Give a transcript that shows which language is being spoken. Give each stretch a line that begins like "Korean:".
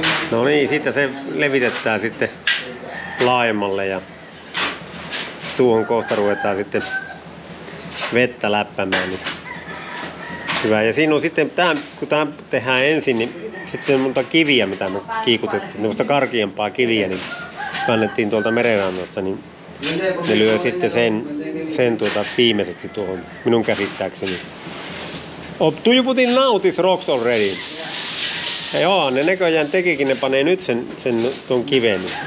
Finnish: No niin, siitä se levitetään sitten laajemmalle ja tuohon kohta ruvetaan sitten vettä läppämään. Niin. Hyvä. Ja siinä on sitten kun tämä tehdään ensin, niin sitten monta kiviä, mitä me kiikutettiin. Noista karkeampaa kiviä, niin kannettiin tuolta merenrannasta, niin ne lyö sitten sen viimeiseksi tuohon minun käsittääkseni.
English: Oh, do you put in now these rocks already? Yeah.
Finnish: Joo, ne näköjään tekikin, ne panee nyt sen tuon kiven.